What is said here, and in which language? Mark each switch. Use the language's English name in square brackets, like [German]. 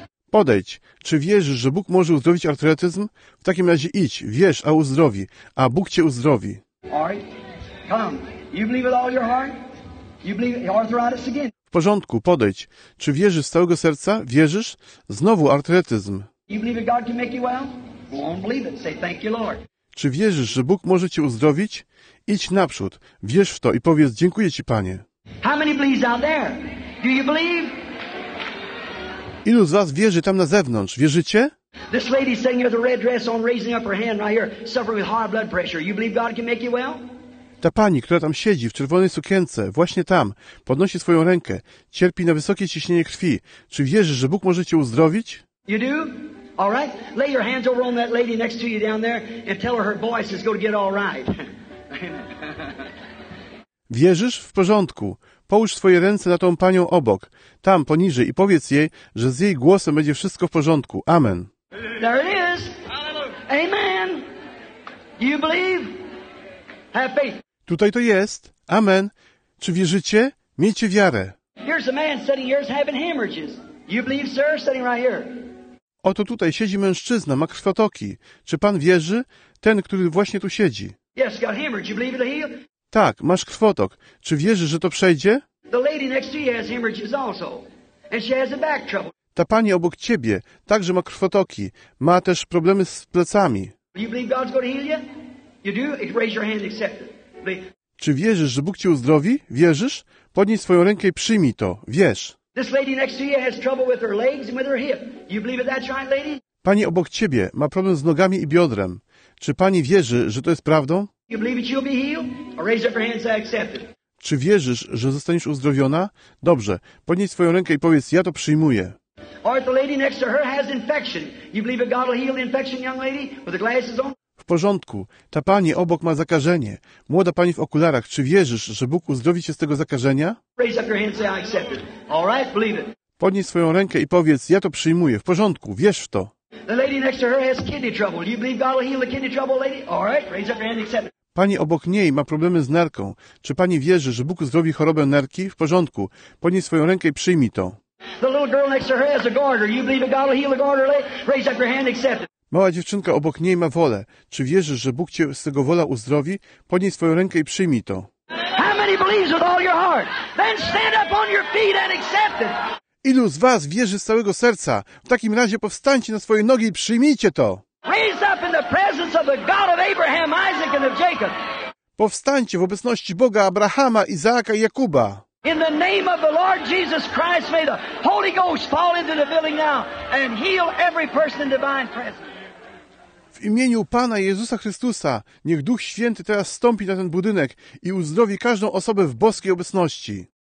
[Polish] Podejdź. Czy wierzysz, że Bóg może uzdrowić artretyzm? W takim razie idź, wierz, a uzdrowi, a Bóg cię uzdrowi. [English] Come. You believe with all your heart? You believe arthritis again? [Polish] W porządku, podejdź. Czy wierzysz z całego serca? Wierzysz? Znowu artretyzm. [English] You believe that God can make you well? Go on, believe it. Say thank you, Lord. [Polish] Czy wierzysz, że Bóg może cię uzdrowić? Idź naprzód. Wierz w to i powiedz: dziękuję ci, Panie. [English] How many believes out there? Do you believe? [Polish] Ilu z was wierzy tam na zewnątrz? Wierzycie? [English] This lady sitting here with a red dress on, raising up her hand right here, suffering with high blood pressure. You believe God can make you well? [Polish] Ta pani, która tam siedzi, w czerwonej sukience, właśnie tam, podnosi swoją rękę, cierpi na wysokie ciśnienie krwi. Czy wierzysz, że Bóg może cię uzdrowić? [English] You do? All right. Lay your hands over on that lady next to you down there and tell her voice is going to get all right. [Polish] Wierzysz? W porządku. Połóż swoje ręce na tą panią obok, tam, poniżej i powiedz jej, że z jej głosem będzie wszystko w porządku. Amen. [English] There it is. Amen. You believe? Have faith. [Polish] Tutaj to jest. Amen. Czy wierzycie? Miejcie wiarę. [English] Here's a man sitting here having hemorrhages. You believe, sir, sitting right here. [Polish] Oto tutaj siedzi mężczyzna, ma krwotoki. Czy pan wierzy? Ten, który właśnie tu siedzi. [English] Yes, got hemorrhage. You believe it'll heal? [Polish] Tak, masz krwotok. Czy wierzysz, że to przejdzie? [English] The lady next to you has hemorrhages also. And she has a back trouble. [Polish] Ta pani obok ciebie także ma krwotoki. Ma też problemy z plecami. [English] You believe God's going to heal you? You do? Raise your hand and accept it. [Polish] Czy wierzysz, że Bóg cię uzdrowi? Wierzysz? Podnieś swoją rękę i przyjmij to. Wierz. [English] This lady next to you has trouble with her legs and with her hip. You believe it, that's right, lady? [Polish] Pani obok ciebie ma problem z nogami i biodrem. Czy pani wierzy, że to jest prawdą? [English] You believe it, you'll be healed? Or raise up your hands and accept it. [Polish] Czy wierzysz, że zostaniesz uzdrowiona? Dobrze. Podnieś swoją rękę i powiedz, ja to przyjmuję. [English] Or the lady next to her has infection. You believe that God will heal the infection, young lady, with the glasses on? [Polish] W porządku. Ta pani obok ma zakażenie. Młoda pani w okularach. Czy wierzysz, że Bóg uzdrowi cię z tego zakażenia? [English] Raise up your hands and accept it. All right, believe it. [Polish] Podnieś swoją rękę i powiedz, ja to przyjmuję. W porządku. Wierz w to. [English] The lady next to her has kidney trouble. You believe God will heal the kidney trouble, lady? All right, raise up your hand and accept it. [Polish] Pani obok niej ma problemy z nerką. Czy pani wierzy, że Bóg uzdrowi chorobę nerki? W porządku. Podnieś swoją rękę i przyjmij to. [English] The little girl next to her has a garter. You believe that God will heal the garter? Raise up your hand and accept it. [Polish] Mała dziewczynka obok niej ma wolę. Czy wierzysz, że Bóg cię z tego wola uzdrowi? Podnieś swoją rękę i przyjmij to. [English] How many believes with all your heart? Then stand up on your feet and accept it. [Polish] Ilu z was wierzy z całego serca? W takim razie powstańcie na swoje nogi i przyjmijcie to. [English] Raise up in the presence of the God of Abraham, Isaac and of Jacob. [Polish] Powstańcie w obecności Boga Abrahama, Izaaka i Jakuba. [English] In the name of the Lord Jesus Christ, may the Holy Ghost fall into the building now and heal every person in divine presence. [Polish] W imieniu Pana Jezusa Chrystusa, niech Duch Święty teraz wstąpi na ten budynek i uzdrowi każdą osobę w boskiej obecności.